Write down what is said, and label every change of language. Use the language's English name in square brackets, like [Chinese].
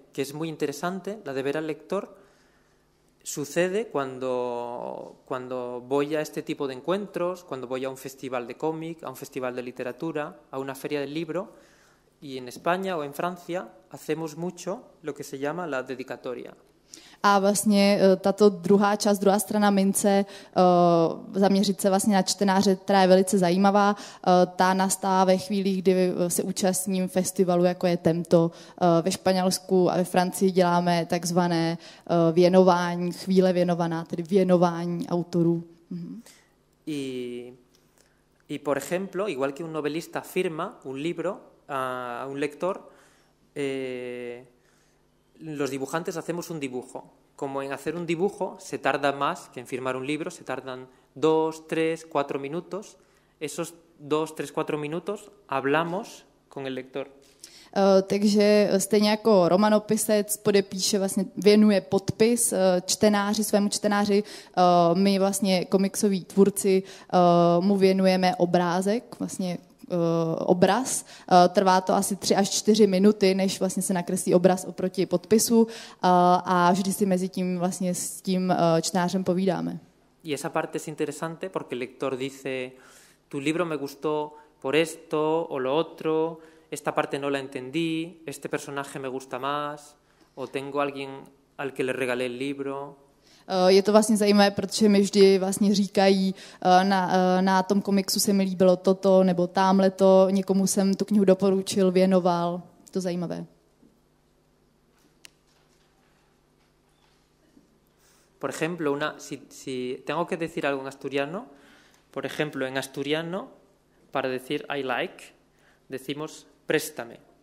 [Spanish] que es muy interesante, la de ver al lector, sucede cuando voy a este tipo de encuentros, cuando voy a un festival de cómic, a un festival de literatura, a una feria del libro, y en España o en Francia hacemos mucho lo que se llama la dedicatoria. [Czech] A vlastně tato druhá část, druhá strana mince, zaměřit se vlastně na čtenáře, která je velice zajímavá, ta nastává ve chvíli, kdy se účastním festivalu, jako je Tento. Ve Španělsku a ve Francii děláme takzvané věnování, chvíle věnovaná, tedy věnování autorů. [Spanish] I por ejemplo, igual que un novelista firma un libro a un lector, los dibujantes hacemos un dibujo. Como en hacer un dibujo se tarda más que en firmar un libro, se tardan 2, 3, 4 minutos. Esos 2, 3, 4 minutos hablamos con el lector. [Czech] Takže stejně jako romanopisec podepíše, vlastně věnuje podpis čtenáři, svému čtenáři, my vlastně komiksoví tvůrci mu věnujeme obrázek, vlastně obraz. Trvá to asi 3 až 4 minuty, než vlastně se nakreslí obraz oproti podpisu a vždy si mezi tím vlastně s tím čtenářem povídáme. [Spanish] Y esa parte es interesante porque el lector dice tu libro me gustó por esto o lo otro, esta parte no la entendí, este personaje me gusta más o tengo alguien al que le regalé el libro. [Czech] Je to vlastně zajímavé, protože mi vždy vlastně říkají, na tom komiksu se mi líbilo toto, nebo támhleto, někomu jsem tu knihu doporučil, věnoval, to zajímavé. [Spanish] Por ejemplo, si tengo que decir algo en asturiano, por ejemplo, en asturiano, para decir I like, decimos préstame.